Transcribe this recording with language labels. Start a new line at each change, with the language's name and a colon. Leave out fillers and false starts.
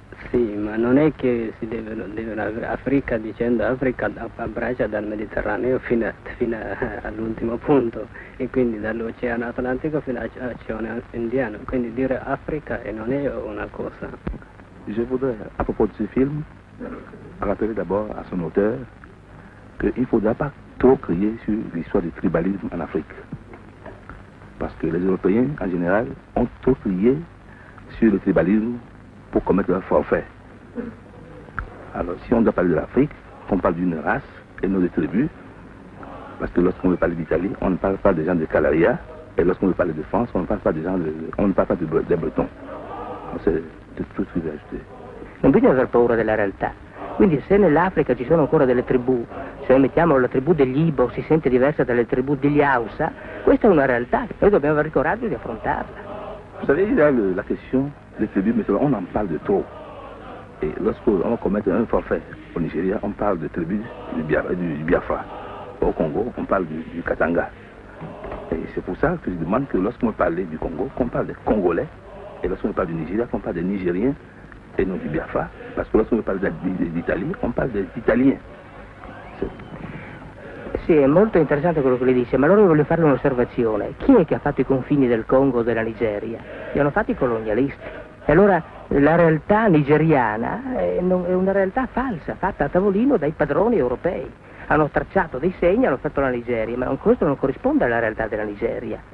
Italian: Sì, ma non è che si deve l'Africa, dicendo Africa, abbraccia dal Mediterraneo fino all'ultimo punto, e quindi dall'Oceano Atlantico fino all'Oceano Indiano. Quindi dire Africa non è una cosa.
French: Je voudrais, à propos de ce film, rappeler d'abord à son auteur qu'il ne faudra pas trop crier sur l'histoire du tribalisme en Afrique. Parce que les Européens, en général, ont trop crié sur le tribalisme pour commettre un forfait. Alors, si on doit parler de l'Afrique, on parle d'une race et non des tribus, parce que lorsqu'on veut parler d'Italie, on ne parle pas des gens de Calaria, et lorsqu'on veut parler de France, on ne parle pas des gens de Bretons. C'est tout ce que j'ai ajouté.
Italian: Non bisogna aver paura della realtà. Quindi se nell'Africa ci sono ancora delle tribù, cioè mettiamo la tribù degli Ibo si sente diversa dalle tribù degli Hausa, questa è una realtà, noi dobbiamo avere il coraggio di affrontarla.
French: Vous savez, là, la question des tribus, mais on en parle de trop. Et lorsqu'on commet un forfait au Nigeria, on parle de tribus du Biafra. Au Congo, on parle du Katanga. Et c'est pour ça que je demande que lorsqu'on parle du Congo, qu'on parle des Congolais. Et lorsqu'on parle du Nigeria, qu'on parle des Nigériens et non du Biafra. Parce que lorsqu'on parle d'Italie, on parle des Italiens.
Italian: Sì, è molto interessante quello che lei dice, ma allora io voglio fare un'osservazione. Chi è che ha fatto i confini del Congo o della Nigeria? Li hanno fatti i colonialisti. E allora la realtà nigeriana è una realtà falsa, fatta a tavolino dai padroni europei. Hanno tracciato dei segni, hanno fatto la Nigeria, ma questo non corrisponde alla realtà della Nigeria.